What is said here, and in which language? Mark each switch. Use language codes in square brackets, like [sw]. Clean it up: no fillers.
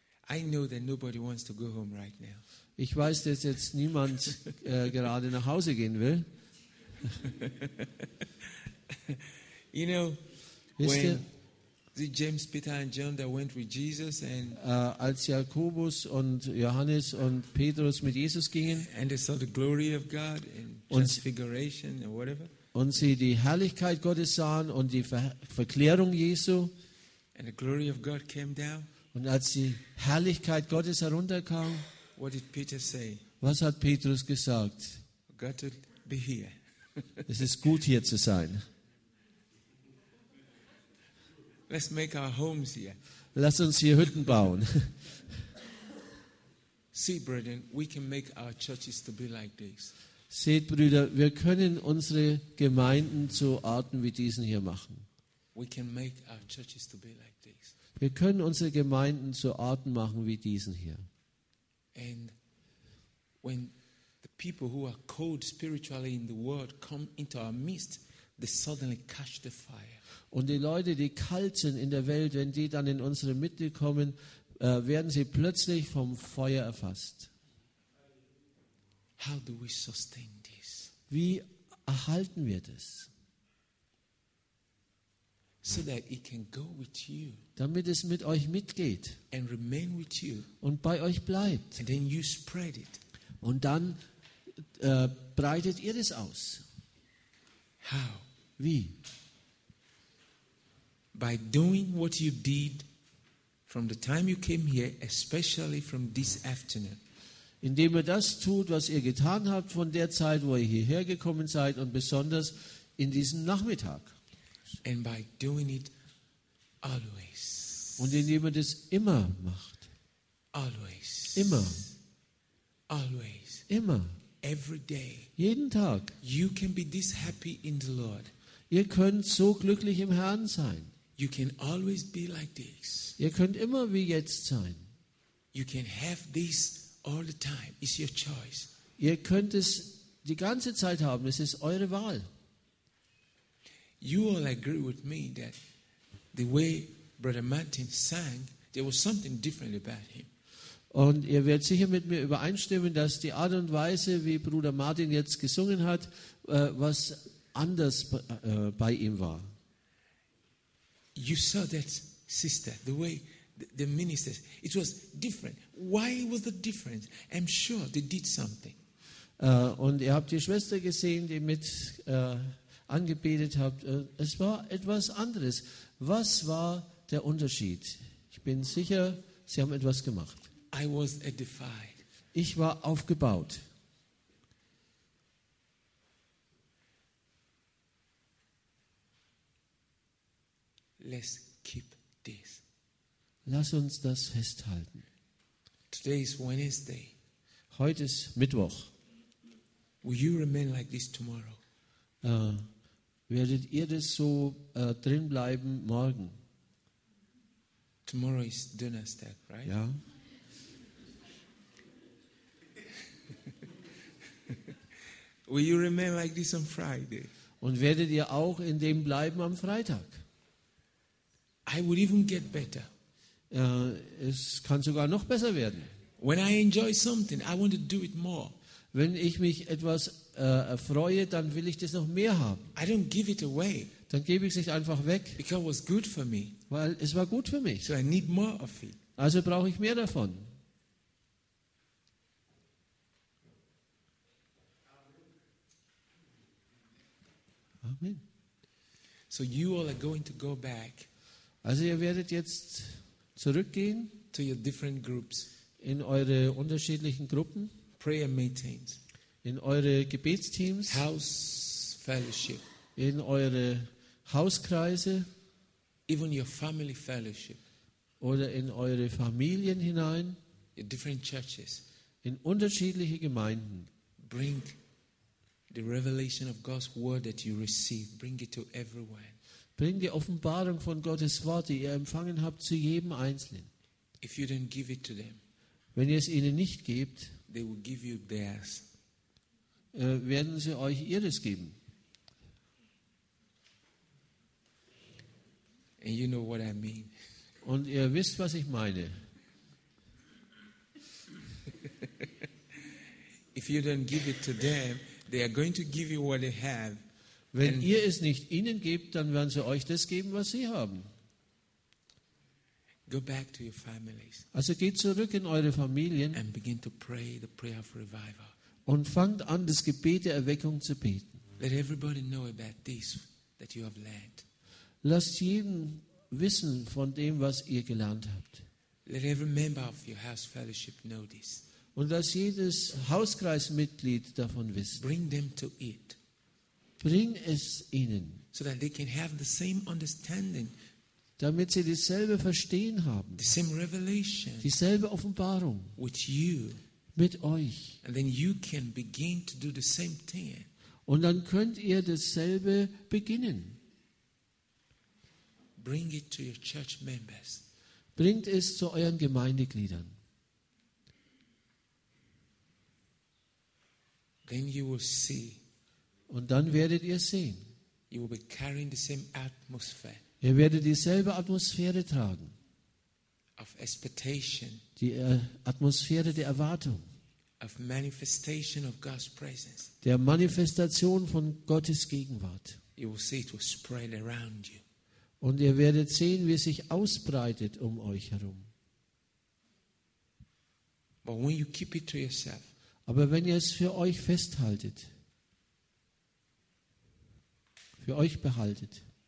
[en] I know that nobody wants to go home right now. [de] Ich weiß, dass jetzt niemand gerade nach Hause gehen will. [en] You know, when James, Peter and John that went with Jesus and [de] als Jakobus und Johannes und Petrus mit Jesus gingen [en] and they saw the glory of God and transfiguration and whatever [de] und sie die Herrlichkeit Gottes sahen und die Verklärung Jesu [en] and the glory of God came down [de] und als die Herrlichkeit Gottes herunterkam [en] what did Peter say? [de] Was hat Petrus gesagt? [en] Got to be here. [de] Es ist gut hier zu sein. [en] Let's make our homes here. [de] Lass uns hier Hütten bauen. [en] See, brethren, we can make our churches to be like this. [de] Seht, Brüder, wir können unsere Gemeinden zu Orten wie diesen hier machen. [en] We can make our churches to be like this. [de] Wir können unsere Gemeinden zu Orten machen wie diesen hier. [en] And when the people who are cold spiritually in the world come into our midst, they suddenly catch the fire. [de] Und die Leute, die kalt sind in der Welt, wenn die dann in unsere Mitte kommen, werden sie plötzlich vom Feuer erfasst. [en] How do we sustain this? [de] Wie erhalten wir das? [en] So that it can go with you. [de] Damit es mit euch mitgeht [en] and remain with you. [de] Und bei euch bleibt. [en] And then you spread it. [de] Und dann breitet ihr das aus. [en] How? [de] Wie? [en] By doing what you did from the time you came here, especially from this afternoon. [de] Indem ihr das tut, was ihr getan habt von der Zeit, wo ihr hierher gekommen seid und besonders in diesem Nachmittag. [en] And by doing it always. [de] Und indem ihr das immer macht. [en] Always. [de] Immer. [en] Always. [de] Immer. [en] Every day. [de] Jeden Tag. [en] You can be this happy in the Lord. [de] Ihr könnt so glücklich im Herrn sein. [en] You can always be like this. [de] Ihr könnt immer wie jetzt sein. [en] You can have this all the time. It's your choice. [de] Ihr könnt es die ganze Zeit haben. Es ist eure Wahl. [en] You all agree with me that the way Brother Martin sang, there was something different about him. [de] Und ihr werdet sicher mit mir übereinstimmen, dass die Art und Weise, wie Bruder Martin jetzt gesungen hat, was anders bei ihm war. [en] You saw that sister, the way the ministers, it was different. Why was the difference? I'm sure they did something. [de] Und ihr habt die Schwester gesehen, die mit angebetet habt. Es war etwas anderes. Was war der Unterschied? Ich bin sicher, sie haben etwas gemacht. [en] I was edified. [de] Ich war aufgebaut. [en] Let's keep this. [de] Lass uns das festhalten. [en] Today is Wednesday. [de] Heute ist Mittwoch. [en] Will you remain like this tomorrow? [de] Werdet ihr das so drin bleiben morgen? [en] Tomorrow is Donnerstag, right? [de] Ja. [en] Will you remain like this on Friday? [de] Und werdet ihr auch in dem bleiben am Freitag? [en] I would even get better. [de] Es kann sogar noch besser werden. [en] When I enjoy something, I want to do it more. [de] Wenn ich mich etwas erfreue, dann will ich das noch mehr haben. [en] I don't give it away. [de] Dann gebe ich es nicht einfach weg. [en] Because it was good for me. [de] Weil es war gut für mich. [en] So I need more of it. [de] Also brauche ich mehr davon. [en] Amen. So you all are going to go back. [de] Also ihr werdet jetzt zurückgehen [en] to your different groups, [de] in eure unterschiedlichen Gruppen, [en] prayer meetings, [de] in eure Gebetsteams, [en] house fellowship, [de] in eure Hauskreise, [en] even your family fellowship, [de] oder in eure Familien hinein, [en] your different churches, [de] in unterschiedliche Gemeinden. [en] Bring the revelation of God's word that you receive. Bring it to everyone. [de] Bring die Offenbarung von Gottes Wort, die ihr empfangen habt, zu jedem Einzelnen. [en] If you don't give it to them, [de] wenn ihr es ihnen nicht gebt, [en] they will give you theirs. [de] Werden sie euch ihres geben. [en] And you know what I mean. [de] Und ihr wisst, was ich meine. [en] If you don't give it to them, They are going to give you what they have. [de] Wenn ihr es nicht ihnen gebt, dann werden sie euch das geben, was sie haben. [en] Go back to your families. [de] Also geht zurück in eure Familien. [en] And begin to pray the prayer of revival. [de] Und fangt an, das Gebet der Erweckung zu beten. [en] Let everybody know about this that you have learned. [de] Lasst jeden wissen von dem, was ihr gelernt habt. [en] Let every member of your house fellowship know this. [de] Und lasst jedes Hauskreismitglied davon wissen. [en] Bring them to it. [de] Bring es ihnen. [en] So that they can have the same understanding. [de] Damit sie dasselbe Verstehen haben. [en] The same revelation. [de] Dieselbe Offenbarung. [en] With you. [de] Mit euch. [en] And then you can begin to do the same thing. [de] Und dann könnt ihr dasselbe beginnen. [en] Bring it to your church members. [de] Bringt es zu euren Gemeindegliedern. [en] Then you will see. [de] Und dann werdet ihr sehen. [en] You will be carrying the same atmosphere. [de] Ihr werdet dieselbe Atmosphäre tragen. [en] Of expectation. [de] Die Atmosphäre der Erwartung. [en] Of manifestation of God's presence. [de] Der Manifestation von Gottes Gegenwart. [en] You will see it will spread around you. [de] Und ihr werdet sehen, wie es sich ausbreitet um euch herum. [en] But when you keep it to yourself, [de] aber wenn ihr es für euch festhaltet, für euch behaltet,